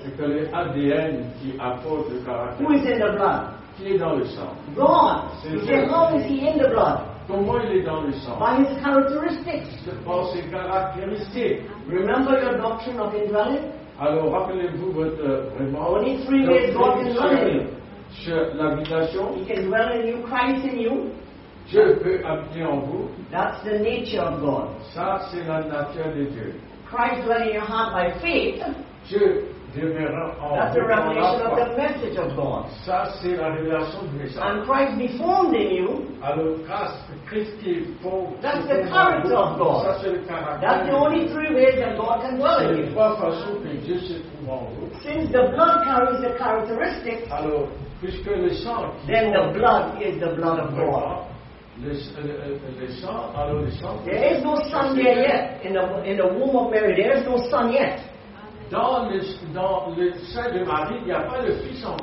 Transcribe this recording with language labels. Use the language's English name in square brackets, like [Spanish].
[French] et que les ADN qui apportent le caractère, [English] who is in the blood? [French] Qui est dans le sang? [English] God. You say, how is he in the blood? [French] Comment il est dans le sang? [English] By his characteristics. [French] C'est par ses caractéristiques. [English] Remember your doctrine of indwelling? [French] Alors rappelez-vous votre remarque. [English] Only 3 ways God is dwelling. [French] L'habitation. [English] He can dwell in you, Christ in you. [French] Dieu peut habiter en vous. [English] That's the nature of God. [French] Ça, c'est la nature de Dieu. [English] Christ dwelling in your heart by faith. [French] Dieu demeurera en vous. [English] That's the revelation of the message of God. [French] Ça, c'est la révélation du message. [English] And Christ be formed in you. [French] Alors, Christ qui est formé. [English] That's the character of God. [French] Ça, c'est le caractère. [English] That's the only 3 ways that God can dwell in you. [French] Trois façons que Dieu se trouve en vous. [English] Since the blood carries the characteristics, [French] alors, puisque le sang qui [English] then the blood is the blood of God. There is no son there yet. In the womb of Mary, there is no son yet. [French] Dans le sein de Marie, il n'y a pas de fils encore.